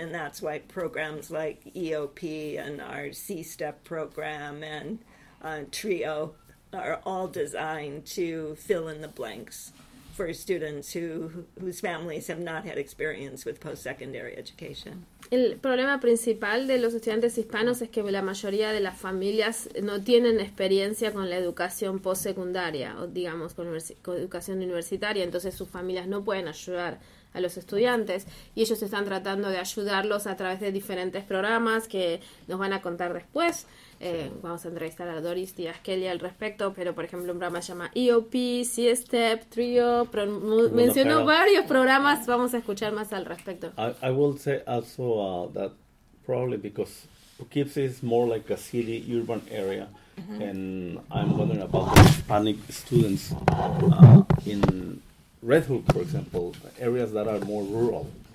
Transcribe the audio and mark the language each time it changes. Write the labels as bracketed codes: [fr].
[en] And that's why programs like EOP and our C-STEP program and TRIO are all designed to fill in the blanks for students whose families have not had experience with post-secondary education. [es] El problema principal de los estudiantes hispanos es que la mayoría de las familias no tienen experiencia con la educación postsecundaria o digamos con educación universitaria, entonces sus familias no pueden ayudar a los estudiantes y ellos están tratando de ayudarlos a través de diferentes programas que nos van a contar después. Vamos a entrevistar a Doris Díaz-Kelly al respecto, pero por ejemplo un programa se llama EOP, C-STEP, TRIO, mencionó varios programas, vamos a escuchar más al respecto. [en] I will say also that probably because Poughkeepsie is more like a city urban area, and I'm wondering about Hispanic students in Red Hook, for example, areas that are more rural.